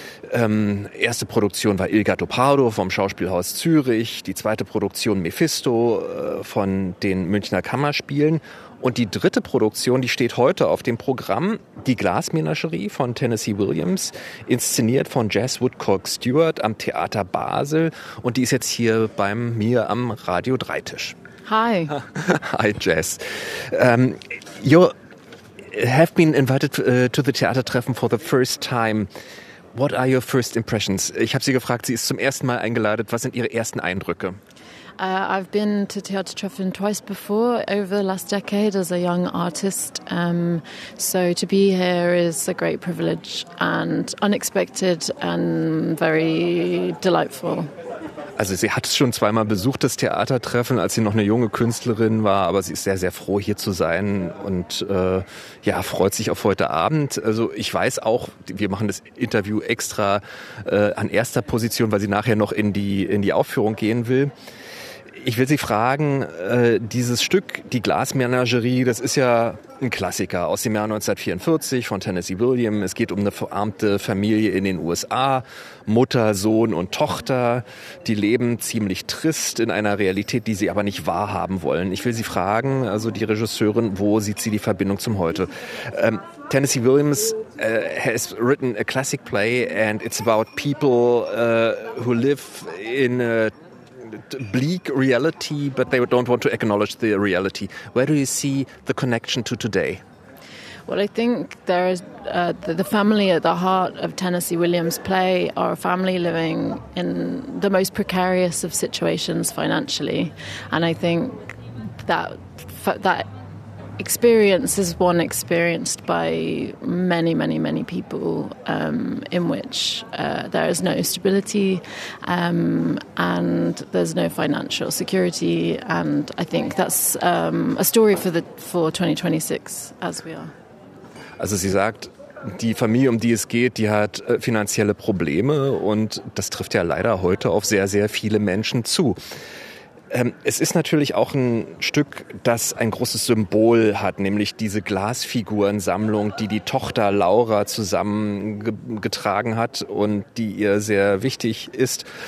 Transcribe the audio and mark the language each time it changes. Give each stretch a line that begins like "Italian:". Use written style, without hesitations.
German: Erste Produktion war Il Gatto Pardo vom Schauspielhaus Zürich, die zweite Produktion Mephisto von den Münchner Kammerspielen. Und die dritte Produktion, die steht heute auf dem Programm, die Glasmenagerie von Tennessee Williams, inszeniert von Jazz Woodcock Stewart am Theater Basel. Und die ist jetzt hier bei mir am Radio 3 Tisch. Hi. Hi, Jazz.
English: You have been invited to the Theatertreffen for the first time. What are your first impressions?
German: Ich habe sie gefragt, sie ist zum ersten Mal eingeladen. Was sind ihre ersten Eindrücke?
English: I've been to Theatertreffen twice before over the last decade as a young artist. So to be here is a great privilege and unexpected and very delightful.
German: Also sie hat es schon zweimal besucht, das Theatertreffen, als sie noch eine junge Künstlerin war. Aber sie ist sehr, sehr froh, hier zu sein und freut sich auf heute Abend. Also ich weiß auch, wir machen das Interview extra an erster Position, weil sie nachher noch in die Aufführung gehen will. Ich will Sie fragen, dieses Stück, die Glasmenagerie, das ist ja ein Klassiker aus dem Jahr 1944 von Tennessee Williams. Es geht um eine verarmte Familie in den USA, Mutter, Sohn und Tochter. Die leben ziemlich trist in einer Realität, die sie aber nicht wahrhaben wollen. Ich will Sie fragen, also die Regisseurin, wo sieht sie die Verbindung zum Heute?
English: Tennessee Williams has written a classic play and it's about people who live in a bleak reality, but they don't want to acknowledge the reality. Where do you see the connection to today? Well, I think there is the family at the heart of Tennessee Williams' play are a family living in the most precarious of situations financially, and I think that experience is one experienced by many, many, many people in which there is no stability and there's no financial security. And I think that's a story for 2026, as we are.
German: Also sie sagt, die Familie, um die es geht, die hat finanzielle Probleme und das trifft ja leider heute auf sehr, sehr viele Menschen zu. Es ist natürlich auch ein Stück, das ein großes Symbol hat, nämlich diese Glasfigurensammlung, die die Tochter Laura zusammengetragen hat und die ihr sehr wichtig ist.